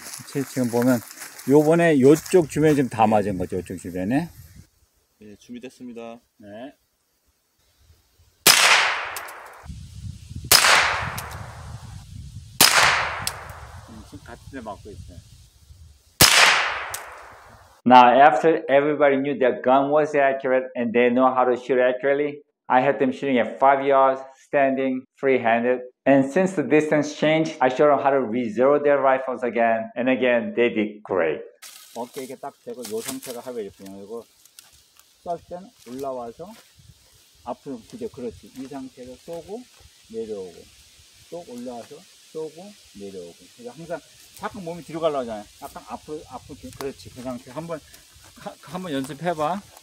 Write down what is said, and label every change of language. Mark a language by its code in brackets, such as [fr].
[ko] 지금 보면 요번에 요쪽 주변에 지금 다 맞은 거죠? 요쪽 주변에? 예, 준비됐습니다. 네. 지금 같은 데 맞고 있어요. [en] Now after everybody knew their gun was accurate and they know how to shoot accurately, I had them shooting at 5 yards standing free-handed. And since the distance changed, I showed them how to re-zero their rifles again. And again, they did great. [ko] Okay, 이게 딱 되고 요 상태가 하면 이렇게 되고 쏠 때는 올라와서 앞으로 그죠? 그렇지. 이 상태로 쏘고 내려오고 또 올라와서 쏘고 내려오고. 그래서 항상 자꾸 몸이 뒤로 가려고 하잖아요. 약간 앞으로 그렇지. 그 상태 한번 연습해봐.